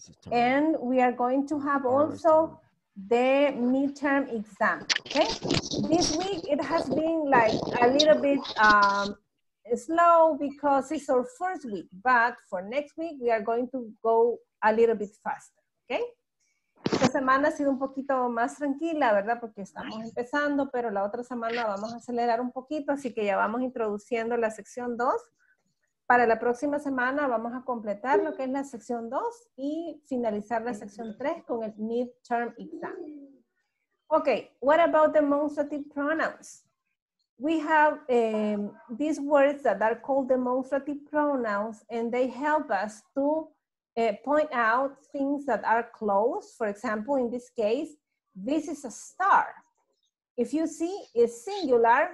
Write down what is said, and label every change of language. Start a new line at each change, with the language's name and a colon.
English: And we are going to have also the midterm exam, okay? This week, it has been like a little bit slow because it's our first week, but for next week, we are going to go a little bit faster, okay?
Spanish: Esta semana ha sido un poquito más tranquila, ¿verdad? Porque estamos empezando, pero la otra semana vamos a acelerar un poquito, así que ya vamos introduciendo la sección 2. Para la próxima semana vamos a completar lo que es la sección 2 y finalizar la sección 3 con el midterm exam.
English: Okay, what about the demonstrative pronouns? We have these words that are called demonstrative pronouns, and they help us to point out things that are close. For example, in this case, this is a star. If you see, it's singular.